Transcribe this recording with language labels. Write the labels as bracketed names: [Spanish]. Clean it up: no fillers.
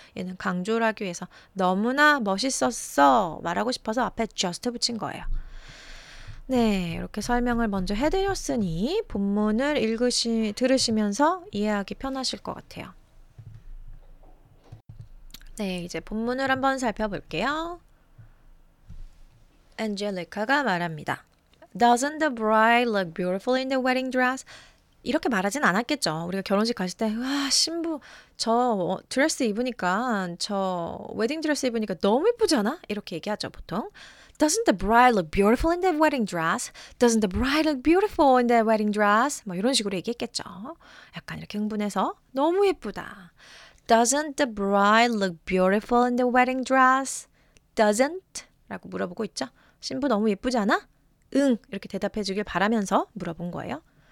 [Korean] 얘는 강조를 하기 위해서 너무나 멋있었어 말하고 싶어서 앞에 just 붙인 거예요. 네, 이렇게 설명을 먼저 해드렸으니 본문을 들으시면서 이해하기 편하실 것 같아요. 네, 이제 본문을 한번 살펴볼게요. Angelica가 말합니다. [English] Doesn't the bride look beautiful in the wedding dress? [Korean] 이렇게 말하진 않았겠죠. 우리가 결혼식 갔을 때 와, 신부 저 드레스 입으니까 저 웨딩 드레스 입으니까 너무 예쁘지 않아? 이렇게 얘기하죠, 보통. [English] Doesn't the bride look beautiful in the wedding dress? Doesn't the bride look beautiful in the wedding dress? [Korean] 뭐 이런 식으로 얘기했겠죠. 약간 이렇게 흥분해서 너무 예쁘다. [English] Doesn't the bride look beautiful in the wedding dress? [Korean] Doesn't? 라고 물어보고 있죠. 신부 너무 예쁘지 않아? 응! 이렇게 대답해 주길 바라면서 물어본 거예요.